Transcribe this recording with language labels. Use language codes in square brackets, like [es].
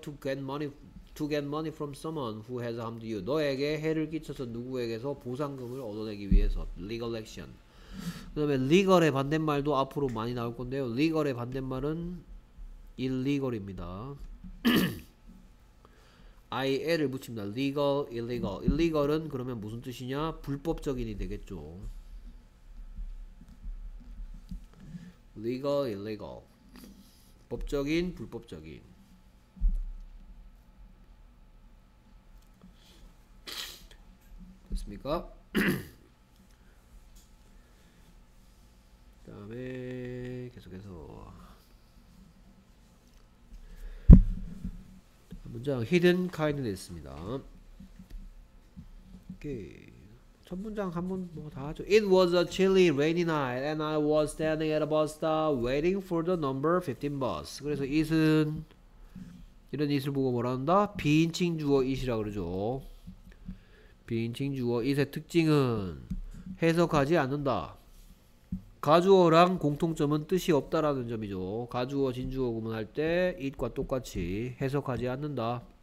[en] To get money from someone who has harmed you. [ko] 너에게 해를 끼쳐서 누구에게서 보상금을 얻어내기 위해서. [en] Legal action. [ko] 그 다음에 legal의 반대말도 앞으로 많이 나올 건데요. legal의 반대말은 illegal입니다. IL을 붙입니다. legal, illegal. illegal은 그러면 무슨 뜻이냐? 불법적인이 되겠죠. legal, illegal. 법적인, 불법적인. 됐습니까? 그다음에 계속해서 문장 히든 카인드 있습니다. 첫 문장 한번 뭐 다 하죠. [en] It was a chilly rainy night and I was standing at a bus stop waiting for the number 15 bus. [ko] 그래서 it은 이런 it을 보고 뭐라 한다? 비인칭 주어 it이라 그러죠. 비인칭 주어 it의 특징은 해석하지 않는다. 가주어랑 공통점은 뜻이 없다라는 점이죠. 가주어 진주어 구문할 때 it과 똑같이 해석하지 않는다.